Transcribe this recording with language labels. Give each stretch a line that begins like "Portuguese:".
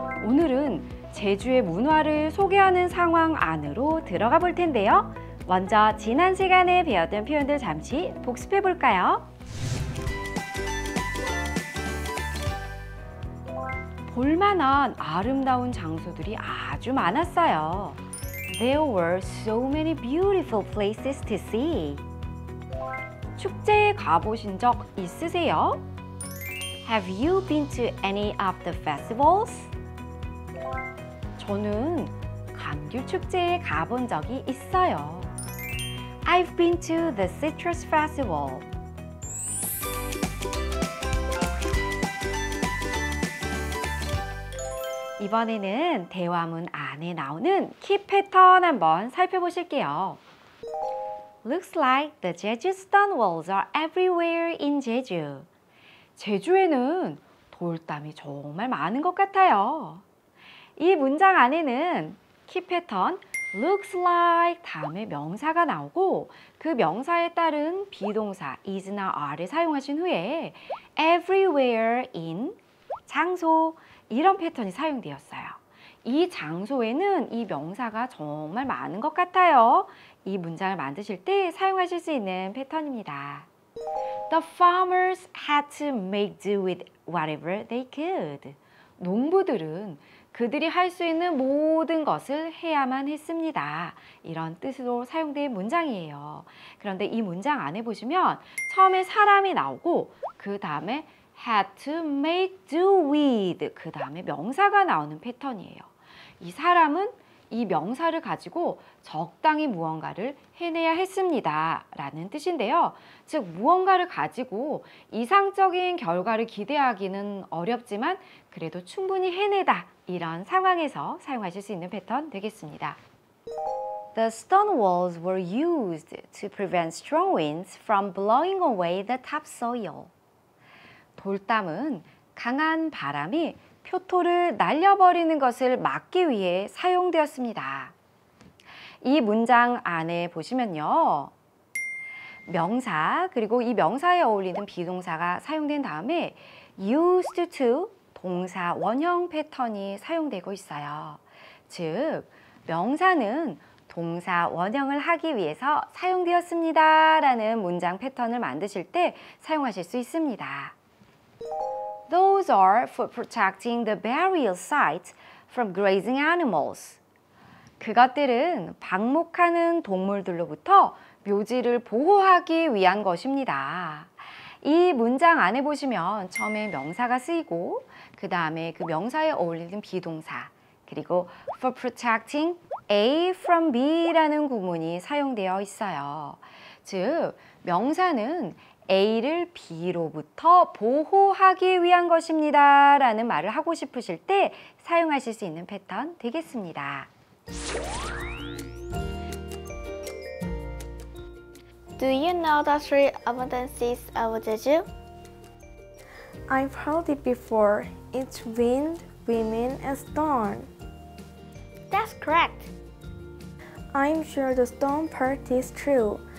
Korean: 오늘은 제주의 문화를 소개하는 상황 안으로 들어가 볼 텐데요. 먼저 지난 시간에 배웠던 표현들 잠시 복습해 볼까요? 볼만한 아름다운 장소들이 아주 많았어요.
English: There were so many beautiful places to see.
Korean: 축제에 가보신 적 있으세요?
English: Have you been to any of the festivals?
Korean: 저는 감귤 축제에 가본 적이 있어요.
English: I've been to the citrus festival.
Korean: 이번에는 대화문 안에 나오는 키 패턴 한번 살펴보실게요.
English: Looks like the Jeju stone walls are everywhere in Jeju.
Korean: 제주에는 돌담이 정말 많은 것 같아요. 이 문장 안에는 키 패턴 looks like 다음에 명사가 나오고 그 명사에 따른 비동사 is, not, are를 사용하신 후에 everywhere in 장소 이런 패턴이 사용되었어요. 이 장소에는 이 명사가 정말 많은 것 같아요. 이 문장을 만드실 때 사용하실 수 있는 패턴입니다.
English: The farmers had to make do with whatever they could.
Korean: 농부들은 그들이 할 수 있는 모든 것을 해야만 했습니다. 이런 뜻으로 사용된 문장이에요. 그런데 이 문장 안에 보시면 처음에 사람이 나오고 그 다음에 had to make do with 그 다음에 명사가 나오는 패턴이에요. 이 사람은 이 명사를 가지고 적당히 무언가를 해내야 했습니다 라는 뜻인데요. 즉 무언가를 가지고 이상적인 결과를 기대하기는 어렵지만 그래도 충분히 해내다 이런 상황에서 사용하실 수 있는 패턴 되겠습니다.
English: The stone walls were used to prevent strong winds from blowing away the topsoil.
Korean: 돌담은 강한 바람이 표토를 날려버리는 것을 막기 위해 사용되었습니다. 이 문장 안에 보시면요. 명사, 그리고 이 명사에 어울리는 비동사가 사용된 다음에 used to 동사 원형 패턴이 사용되고 있어요. 즉, 명사는 동사 원형을 하기 위해서 사용되었습니다. 라는 문장 패턴을 만드실 때 사용하실 수 있습니다.
English: Those are for protecting the burial site from grazing animals.
Korean: 그것들은 방목하는 동물들로부터 묘지를 보호하기 위한 것입니다. 이 문장 안에 보시면 처음에 명사가 쓰이고 그 다음에 그 명사에 어울리는 비동사 그리고 for protecting A from B라는 구문이 사용되어 있어요. 즉, 명사는 A를 B로부터 보호하기 위한 것입니다 라는 말을 하고 싶으실 때 사용하실 수 있는 패턴 되겠습니다.
English: 'Do you know the three abundances of Jeju? I've heard it before. It's wind, women, and stone. That's correct. I'm sure the stone part is true.